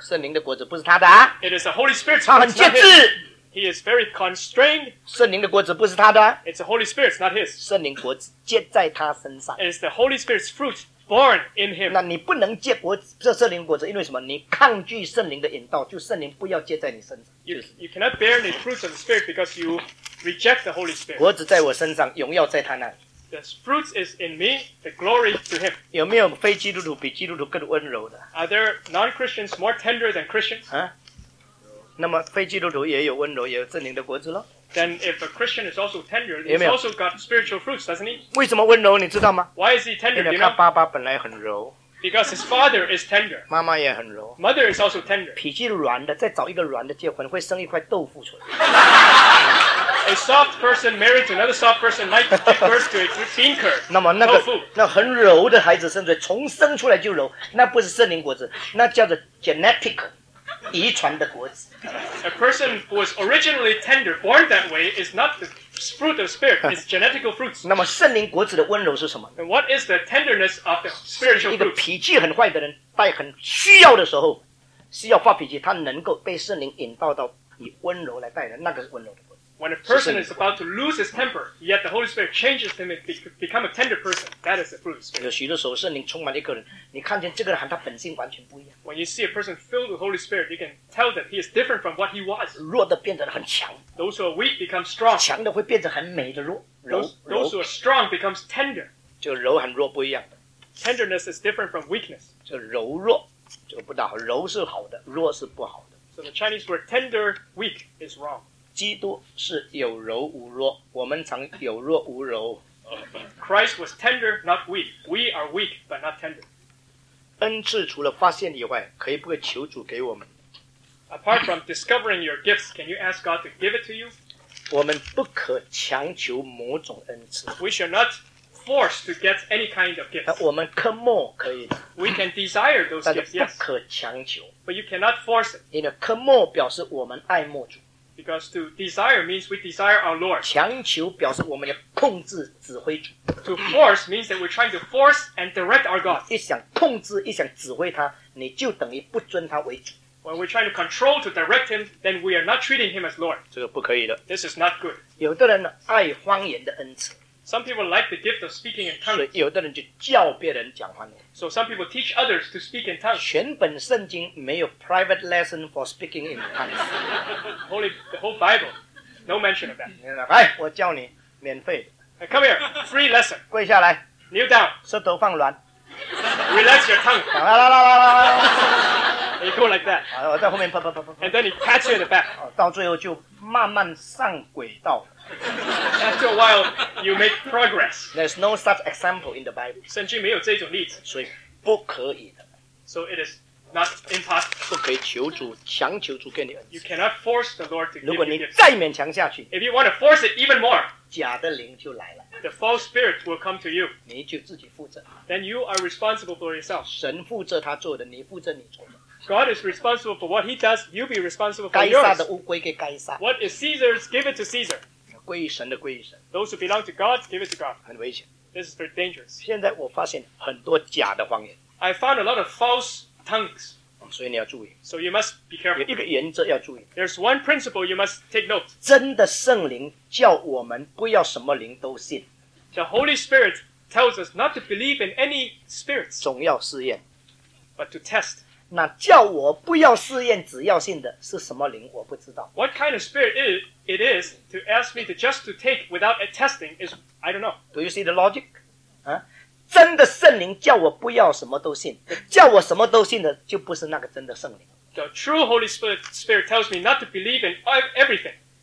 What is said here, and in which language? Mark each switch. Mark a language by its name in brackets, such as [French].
[Chinese] 圣灵的果子不是他的啊。 [English] It is the Holy Spirit. [Chinese] 他很节制。 [English] He is very constrained. [Chinese] 圣灵的果子不是他的啊。 [English] It's the Holy Spirit, not his. [Chinese] 圣灵果子结在他身上。 [English] It's the Holy Spirit's fruit born in him. [Chinese] 那你不能结果这圣灵果子，因为什么？你抗拒圣灵的引导，就圣灵不要结在你身上。 [English] You cannot bear the fruits of the Spirit because you reject the Holy Spirit. [Chinese] 果子在我身上，荣耀在他那里。 [English] The fruit is in me, the glory to him. [Chinese] 有没有非基督徒比基督徒更温柔的？ [English] Are there non-Christians more tender than Christians? [Chinese] 啊，那么非基督徒也有温柔，也有圣灵的果子咯。 [English] Then if a Christian is also tender, he's also got spiritual fruits, doesn't he? [Chinese] 为什么温柔你知道吗？ [English] Why is he tender? [Chinese] 因为他爸爸本来很柔。 [English] Because his father is tender. [Chinese] 妈妈也很柔。 [English] Mother is also tender. [Chinese] 脾气软的，再找一个软的结婚，会生一块豆腐出来。 [English] A soft person married to another soft person might give birth to a bean curd. [Chinese] 那么那个那很柔的孩子生出来，从生出来就柔，那不是圣灵果子，那叫做 genetic 遗传的果子。 [English] A person who was originally tender, born that way, is not the fruit of spirit; it's genetical fruits. [Chinese] 那么圣灵果子的温柔是什么？ [English] And what is the tenderness of the spiritual fruit? [Chinese] 一个脾气很坏的人，在很需要的时候，需要发脾气，他能够被圣灵引导到以温柔来带人，那个是温柔的。 [English] When a person is about to lose his temper, yet the Holy Spirit changes him and become a tender person, that is the fruit of the Spirit. [Chinese] 有许多时候圣灵充满一个人，你看见这个人和他本性完全不一样。 [English] When you see a person filled with the Holy Spirit, you can tell that he is different from what he was. [Chinese] 弱的变得很强。 [English] Those who are weak become strong. [Chinese] 强的会变得很美的弱。 [English] Those who are strong becomes tender. [Chinese] 就柔和弱不一样。 [English] Tenderness is different from weakness. [Chinese] 就柔弱就不大好，柔是好的，弱是不好的。 [English] So the Chinese word tender, weak is wrong. [Chinese] 基督是有柔无弱，我们常有弱无柔。 [English] Christ was tender, not weak. We are weak, but not tender. [Chinese] 恩赐除了发现以外，可以不可以求主给我们？ [English] Apart from discovering your gifts, can you ask God to give it to you? [Chinese] 我们不可强求某种恩赐。 [English] We shall not force to get any kind of gifts. [Chinese] 我们渴慕可以的。 [English] We can desire those gifts, yes. [Chinese] 但是不可强求。 [English] But you cannot force it. [Chinese] 因为渴慕表示我们爱慕主。 [English] Because to desire means we desire our Lord. [Chinese] 强求表示我们要控制指挥主。 [English] To force means that we're trying to force and direct our God. [Chinese] 一想控制，一想指挥他，你就等于不尊他为主。 [English] When we're trying to control to direct him, then we are not treating him as Lord. [Chinese] 这个不可以的。 [English] This is not good. [Chinese] 有的人爱方言的恩赐。 [English] Some people like the gift of speaking in tongues. [Chinese] 所以有的人就教别人讲方言。 [English] So some people teach others to speak in tongues. [Chinese] 全本圣经没有 [English] private lesson for speaking in tongues. Holy, the whole Bible, no mention of that. [Chinese] 来，我教你，免费的。 [English] Come here, free lesson. [Chinese] 跪下来。 [English] Kneel down. [Chinese] 舌头放软。 [English] Relax your tongue. [Chinese] 啦啦啦啦啦啦。 [English] And you go like that. [Chinese] 好，我在后面啪啪啪啪啪。 [English] And then he pats you in the back. [Chinese] 到最后就慢慢上轨道。 [English] After a while, you make progress. There's no such example in the Bible. [Chinese] 圣经没有这种例子，所以不可以的。 [English] So it is not impossible. [Chinese] 不可以求主，强求主给你恩赐。 [English] You cannot force the Lord to give you [Chinese] gifts. 如果你再勉强下去 [English] ，If you want to force it even more, [Chinese] 假的灵就来了。 [English] The false spirit will come to you. [Chinese] 你就自己负责。 [English] Then you are responsible for yourself. [Chinese] 神负责他做的，你负责你做的。 [English] God is responsible for what he does. You be responsible for yours. [Chinese] 该杀的乌龟给该杀。 [English] What is Caesar's, give it to Caesar. [Chinese] 归于神的归于神。 [English] Those who belong to God, give it to God. [Chinese] 很危险。 [English] This is very dangerous. [Chinese] 现在我发现很多假的方言。 [English] I found a lot of false tongues. [Chinese] 所以你要注意。 [English] So you must be careful. [Chinese] 有一个原则要注意。 [English] There's one principle you must take note. [Chinese] 真的圣灵叫我们不要什么灵都信。 [English] The Holy Spirit tells us not to believe in any spirits. [Chinese] 总要试验。 [English] But to test. [Chinese] 那叫我不要试验只要信的是什么灵我不知道。 [English] What kind of spirit it is to ask me to just to take without a testing is, I don't know. Do you see the logic?、 [Chinese] 啊、真的圣灵叫我不要什么都信，叫我什么都信的就不是那个真的圣灵。 [English] The true Holy Spirit tells me not to believe in everything.